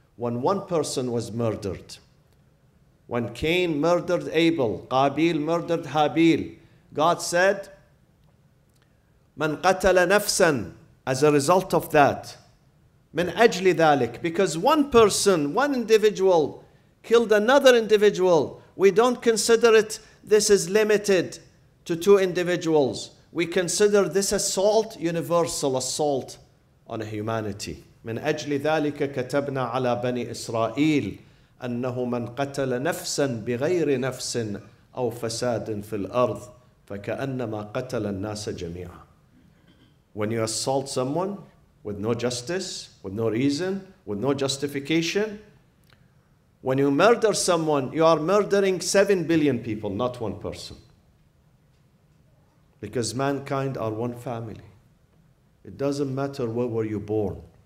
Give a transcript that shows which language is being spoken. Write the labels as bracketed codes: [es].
[en] When one person was murdered, when Cain murdered Abel, Qabil murdered Habil, God said, [ar] "Man qatala nafsan," [en] as a result of that, [ar] "min ajli dhalik," [en] because one person, one individual, killed another individual, we don't consider it, this is limited to two individuals. We consider this assault, universal assault on humanity. [ar] من أجل ذلك كتبنا على بني إسرائيل أنه من قتل نفسا بغير نفس أو فساد في الأرض فكأنما قتل الناس جميعا. [en] When you assault someone with no justice, with no reason, with no justification. When you murder someone, you are murdering 7 billion people, not one person. Because mankind are one family. It doesn't matter where were you born.